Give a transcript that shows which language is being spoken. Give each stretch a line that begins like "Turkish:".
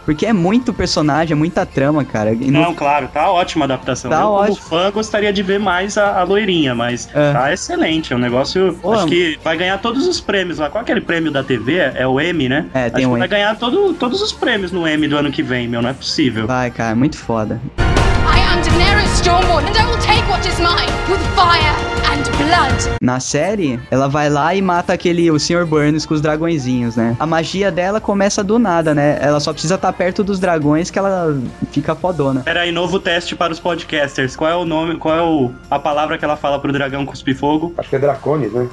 Portuguese: Porque é muito personagem, é muita trama, cara. Não, claro, tá ótima a adaptação. Tá eu, como ótimo. Fã, gostaria de ver mais a loirinha, mas tá excelente. É um negócio, acho que vai ganhar todos os prêmios lá. Qual é aquele prêmio da TV? É o Emmy, né? É, tem acho um que vai ganhar todos os prêmios no Emmy do ano que vem, meu, não é possível. Vai, cara, muito foda.
English: I am Daenerys Stormborn, and I will take what is mine with fire and blood.
Portuguese: Na série, ela vai lá e mata o Sr. Burns com os dragõezinhos, né? A magia dela começa do nada, né? Ela só precisa estar perto dos dragões que ela fica fodona. Pera aí, novo teste para os podcasters. Qual é o nome, qual é a palavra que ela fala pro dragão cuspir fogo? Acho que é Dracones, né?